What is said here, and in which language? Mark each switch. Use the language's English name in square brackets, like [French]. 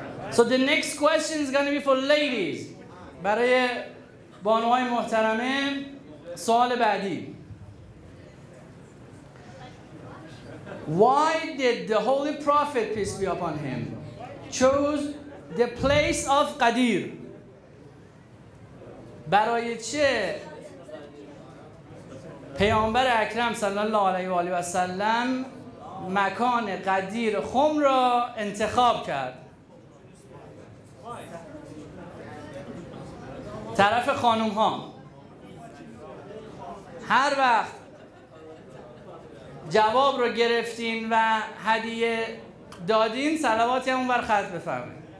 [English] So the next question is going to be for ladies. [Persian] برای بانوهای محترمه، سوال بعدی. [English] Why did the Holy Prophet, peace be upon him, chose the place of Qadir? [Persian] برای چه پیامبر اکرم صلی الله علیه و آله و سلم مکان قدیر خم را انتخاب کرد؟ طرف خانم ها، هر وقت جواب رو گرفتین و هدیه دادین صلواتی همون بر خط بفرمایید.